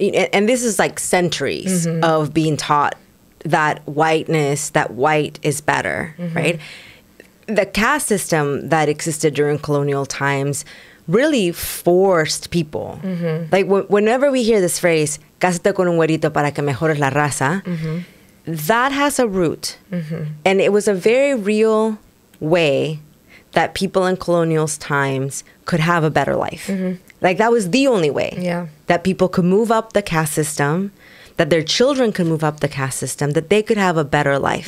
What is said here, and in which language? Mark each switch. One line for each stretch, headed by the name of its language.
English: and this is like centuries of being taught that whiteness, that white is better, right? The caste system that existed during colonial times really forced people. Like whenever we hear this phrase,
Spanish: cásate con un güerito para que mejores la raza.
English: Mm-hmm. That has a root. Mm-hmm. And it was a very real way that people in colonial times could have a better life. Mm-hmm. Like, that was the only way. Yeah. That people could move up the caste system, that their children could move up the caste system, that they could have a better life.